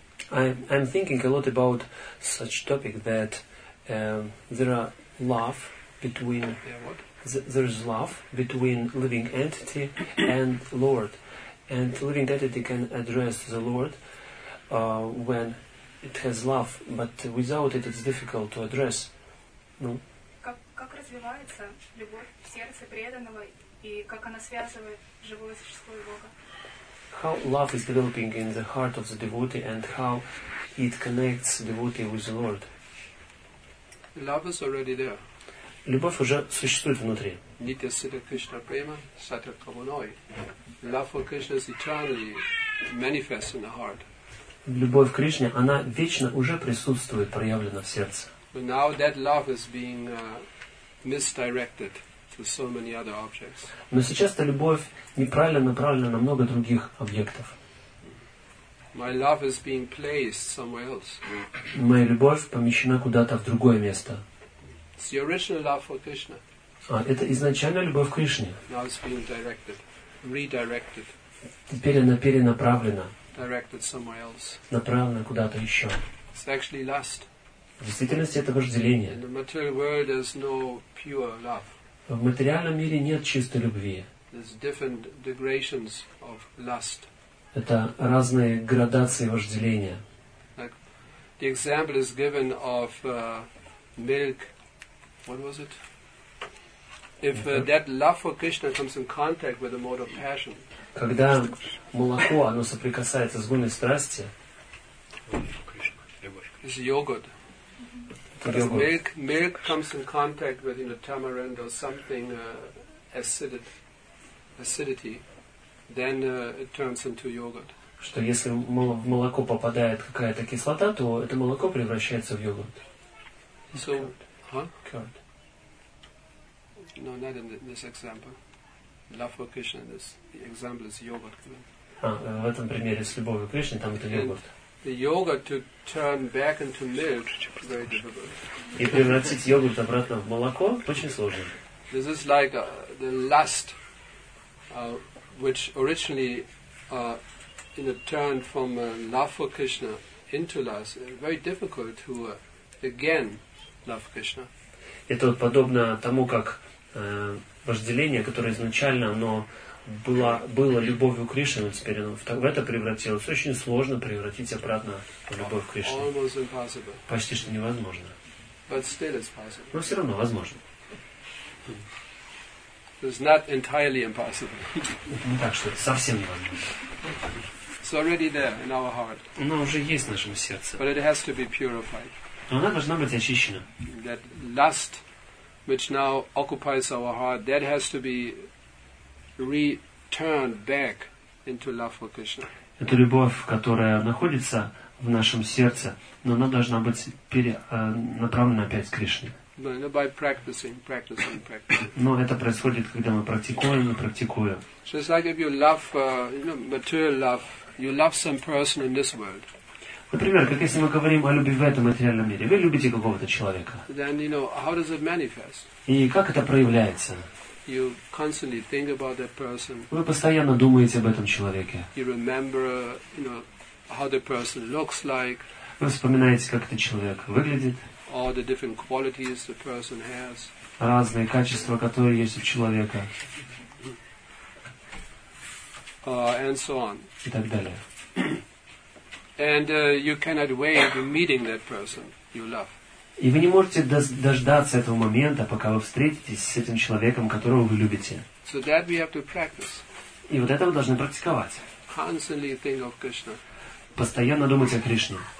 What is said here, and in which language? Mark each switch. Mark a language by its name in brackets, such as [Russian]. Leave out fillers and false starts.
[English] I'm thinking a lot about such topic that there's love between living entity and Lord, and living entity can address the Lord when it has love, but without it, it's difficult to address. No? [Russian] Как развивается любовь в сердце преданного и как она связывает живое существо и Бога? [English] How love is developing in the heart of the devotee and how it connects devotee with the Lord. Love is already there. [Russian] Любовь уже существует внутри. [Sanskrit] Nitya Siddha Krishna Prema Satya Kavanoi. [English] Love for Krishna is eternally manifest in the heart. [Russian] Любовь к Кришне, она вечно уже присутствует, проявлена в сердце. [English] But now that love is being misdirected. With so many other objects. [Russian] Но сейчас эта любовь неправильно направлена на много других объектов. [English] My love is being placed somewhere else. [Russian] Моя любовь помещена куда-то в другое место. [English] It's the original love for Krishna. [Russian] Это изначальная любовь к Кришне. [English] Now it's being directed, redirected. [Russian] Теперь она перенаправлена. [English] Directed somewhere else. [Russian] Направлена куда-то еще. [English] It's actually lust. [Russian] В действительности это вожделение. [English] In the material world, there's no pure love. [Russian] В материальном мире нет чистой любви. [English] There's different degrees of lust. [Russian] Это разные градации вожделения. [English] Like the example is given of milk. What was it? If that love for Krishna comes in contact with the mode of passion. [Russian] Когда молоко, оно соприкасается с гуной страсти. [English] It's yogurt. Milk comes in contact with, you know, tamarind or something acidity, then it turns into yogurt. [Russian] Что если в молоко попадает какая-то кислота, то это молоко превращается в йогурт. [English] So, curd. No, not in this example. Love for Krishna, this example is yogurt. [Russian] В этом примере с любовью к Кришне там это йогурт. [English] The yogurt to turn back into milk is very difficult. [Russian] И превратить йогурт обратно в молоко очень сложно. [English] This is like the lust, which originally, turned from love for Krishna into lust. Very difficult to again love Krishna. [Russian] Это вот подобно тому, как вожделение, которое изначально, оно было любовью к Кришне, но теперь оно в это превратилось. Очень сложно превратить обратно в любовь к Кришне. Почти что невозможно. [English] But still it's possible. [Russian] Но все равно возможно. [English] It's not entirely impossible. [Russian] Не так, что это совсем невозможно. [English] It's already there in our heart. [Russian] Оно уже есть в нашем сердце. [English] But it has to be purified. [Russian] Но она должна быть очищена. [English] That lust, which now occupies our heart, that has to be return back into love for Krishna. [Russian] Это любовь, которая находится в нашем сердце, но она должна быть перенаправлена опять к Кришне. [English] No, by practicing. [Russian] Но это происходит, когда мы практикуем и практикуем. [English] So it's like if you love, material love, you love some person in this world. [Russian] Например, как если мы говорим о любви в этом материальном мире, вы любите какого-то человека. [English] Then, you know, how does it manifest? [Russian] И как это проявляется? [English] You constantly think about that person. [Russian] Вы постоянно думаете об этом человеке. [English] You remember, how the person looks like. [Russian] Вы вспоминаете, как этот человек выглядит. [English] All the different qualities the person has. [Russian] Разные качества, которые есть у человека. [English] And so on. [Russian] И так далее. [English] And you cannot wait meeting that person you love. [Russian] И вы не можете дождаться этого момента, пока вы встретитесь с этим человеком, которого вы любите. [English] So that we have to practice. [Russian] И вот это вы должны практиковать. [English] Constantly think of Krishna. [Russian] постоянно думать о Кришне.